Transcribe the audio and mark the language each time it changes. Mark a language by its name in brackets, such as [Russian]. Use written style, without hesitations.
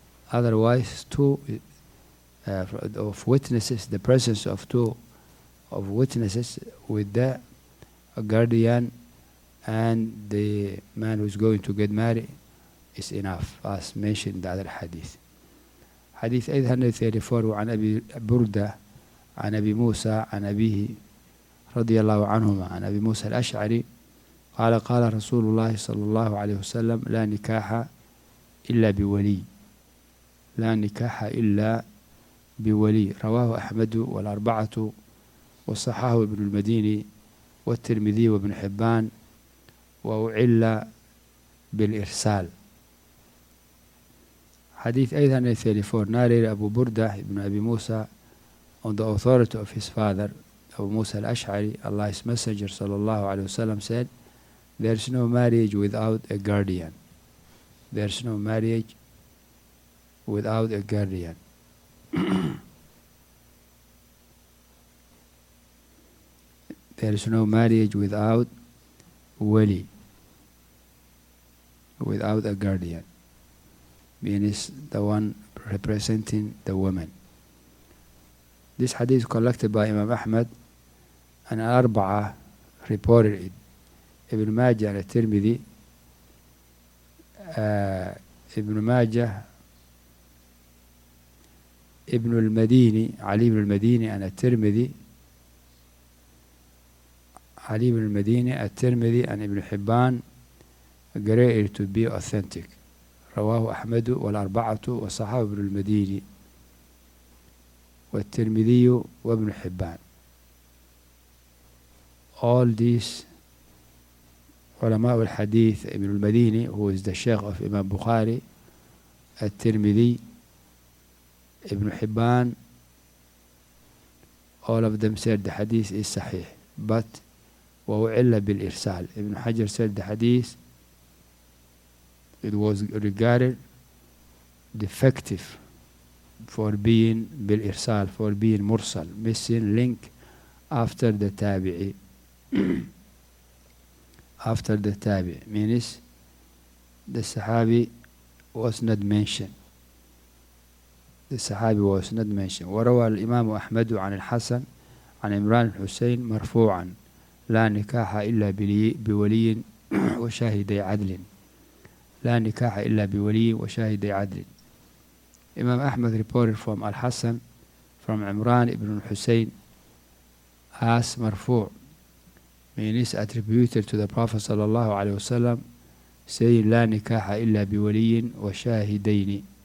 [English] Otherwise, two of witnesses, the presence of two of witnesses with the guardian and the man who is going to get married is enough, as mentioned in the other hadith. [Arabic] Hadith 834, وعن أبي بردة عن أبي موسى عن أبيه رضي الله عنهما عن أبي موسى الأشعري قال: قال رسول الله صلى الله عليه وسلم: لا نكاح إلا بولي, لا نكاح إلا بولي. رواه أحمد والأربعة وصححه ابن المديني والترمذي وابن حبان وأعلى بالإرسال. [English] حديث 834 narrated أبو بردة ابن أبي موسى on the authority of his father أبو موسى الأشعري, Allah's messenger [Arabic] صلى الله عليه وسلم [English] said, there is no marriage without a guardian, there is no marriage without a guardian. There is no marriage without wali, without a guardian, meaning the one representing the woman. This hadith is collected by Imam Ahmad, and Arba'a reported it. Ibn Majah and Tirmidhi, Ibn Majah, Ibn al-Madini, Ali ibn al-Madini and Tirmidhi, Ali ibn al-Madini, Tirmidhi and Ibn Hibban greater to be authentic. [Arabic] رواه أحمد والأربعة وصحابة ابن المديني والترمذي وابن حبان. [English] All these [Arabic] علماء الحديث [English] ابن المديني who is the sheikh of Imam Bukhari, الترمذي, ابن حبان, all of them said the hadith is صحيح. But [Arabic] وعلّ بالإرسال. [English] ابن حجر said the hadith it was regarded defective for being بالإرسال, for being مرسل, missing link after the تابعي. After the تابعي means the صحابي was not mentioned. The صحابي was not mentioned. [Arabic] وروى الإمام أحمد عن الحسن عن عمران الحسين مرفوعا لا نكاح إلا بولي وشاهد عدل. لا نكاح إلا بولي وشاهد عدل. [English] Imam Ahmad reported from Al-Hassan from Imran ibn Hussein as marfu, meaning is attributed to the Prophet sallallahu alayhi wa sallam saying [Arabic] لا نكاح إلا بولي وشاهدين.